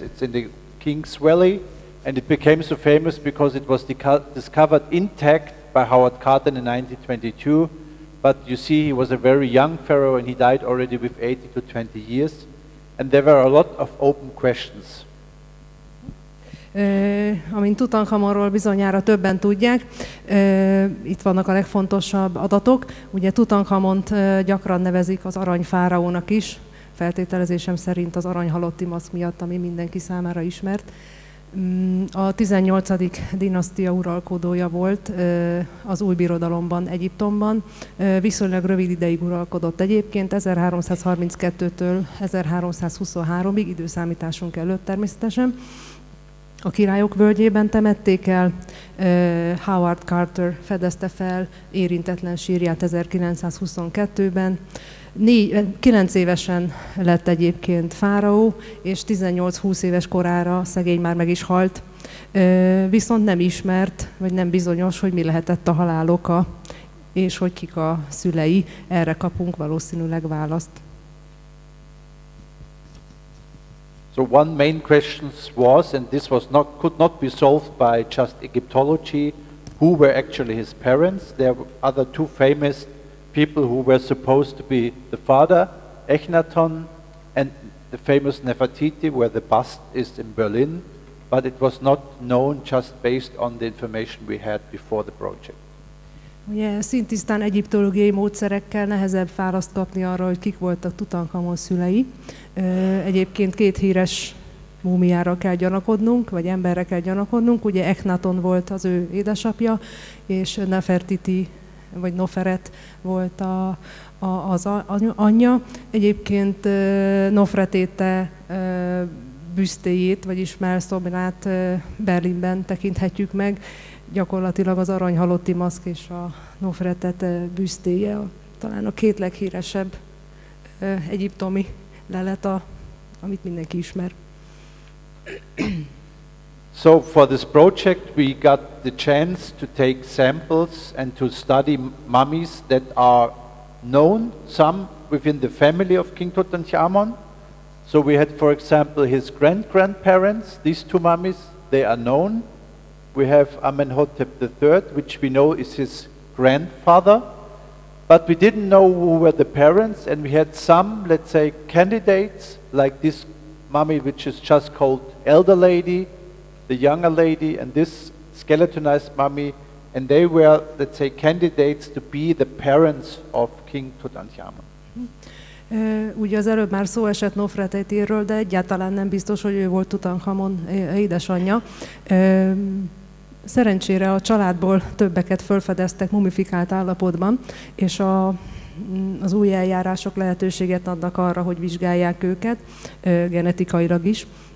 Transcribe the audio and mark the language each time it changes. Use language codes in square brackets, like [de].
[en] It's in the King's Valley, and it became so famous because it was discovered intact by Howard Carter in 1922. But you see, he was a very young pharaoh, and he died already with 80 to 20 years, and there were a lot of open questions. [hu] Amint Tutankhamonról bizonyára többen tudják, itt vannak a legfontosabb adatok. Ugye Tutankhamont gyakran nevezik az aranyfáraónak is, feltételezésem szerint az aranyhalotti maszk miatt, ami mindenki számára ismert. A 18. dinasztia uralkodója volt az új birodalomban, Egyiptomban. Viszonylag rövid ideig uralkodott egyébként, 1332-től 1323-ig, időszámításunk előtt természetesen. A királyok völgyében temették el, Howard Carter fedezte fel érintetlen sírját 1922-ben. 9 évesen lett egyébként fáraó, és 18-20 éves korára szegény már meg is halt. Viszont nem ismert, vagy nem bizonyos, hogy mi lehetett a halál oka, és hogy kik a szülei. Erre kapunk valószínűleg választ. [en] So one main question was, and this was not, could not be solved by just Egyptology, who were actually his parents? There were other two famous people who were supposed to be the father, Echnaton, and the famous Nefertiti, where the bust is in Berlin, but it was not known just based on the information we had before the project. [hu] Ugye szintisztán egyiptológiai módszerekkel nehezebb választ kapni arra, hogy kik voltak Tutankhamon szülei. Egyébként két híres múmiára kell gyanakodnunk, vagy emberre kell gyanakodnunk. Ugye Echnaton volt az ő édesapja, és Nefertiti, vagy Noferet volt az anyja. Egyébként Nofretete büsztéjét, vagyis mellszobrát Berlinben tekinthetjük meg. Gyakorlatilag az aranyhalotti maszk és a Nofretete büsztéje talán a két leghíresebb egyiptomi lelet, amit mindenki ismer. [en] So for this project we got the chance to take samples and to study mummies that are known, some within the family of King Tutankhamun. So we had, for example, his grandparents, these two mummies, they are known. We have Amenhotep III, which we know is his grandfather, but we didn't know who were the parents, and we had some, let's say, candidates, like this mummy, which is just called Elder Lady, the Younger Lady, and this skeletonized mummy, and they were, let's say, candidates to be the parents of King Tutankhamun. [hu] Ugye az előbb már szó esett Nofretetéről, de egyáltalán nem biztos, hogy ő volt Tutankhamon édesanyja. Szerencsére a családból többeket felfedeztek mumifikált állapotban, és az új eljárások lehetőséget adnak arra, hogy vizsgálják őket, genetikailag is.